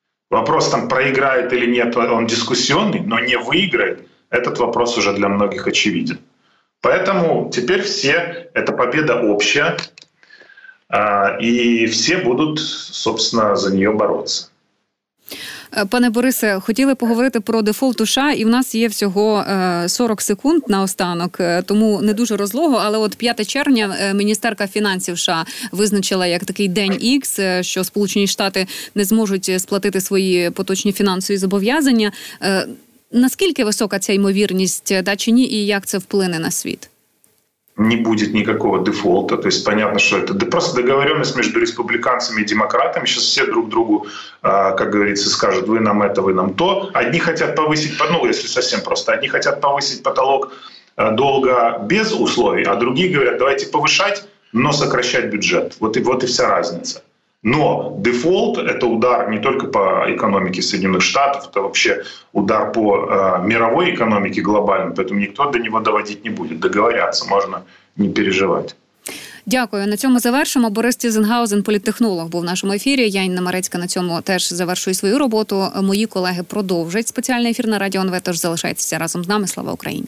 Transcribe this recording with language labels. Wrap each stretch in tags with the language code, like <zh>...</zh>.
<ru>Вопрос там, проиграет или нет, он дискуссионный, но не выиграет. Этот вопрос уже для многих очевиден. Поэтому теперь все, эта победа общая, и все будут, собственно, за нее бороться.</ru> <uk>Пане Борисе, хотіли поговорити про дефолт США, і в нас є всього 40 секунд на останок, тому не дуже розлого, але от 5 червня міністерка фінансів США визначила як такий день X, що Сполучені Штати не зможуть сплатити свої поточні фінансові зобов'язання. Наскільки висока ця ймовірність, да чи ні, і як це вплине на світ? Не буде ніякого дефолту,</uk> <ru>то есть понятно,</ru> <uk>що це просто</uk> <ru>договоренность</ru> <uk>між республіканцями і демократами,</uk> <ru>сейчас все друг другу, как говорится, скажут, вы нам это, вы нам то. Одни хотят повысить, ну, если совсем просто, одни хотят повысить потолок долга без условий, а другие говорят, давайте повышать, но сокращать бюджет. Вот и вся разница. Но дефолт — это удар не только по экономике Соединенных Штатов, это вообще удар по мировой экономике глобальной, поэтому никто до него доводить не будет. Договорятся, можно не переживать.</ru> <uk>Дякую. На цьому завершимо. Борис Тізенгаузен, політтехнолог, був в нашому ефірі. Я, Інна Марецька, на цьому теж завершую свою роботу. Мої колеги продовжать спеціальний ефір на Радіо НВ, тож залишайтеся разом з нами. Слава Україні!</uk>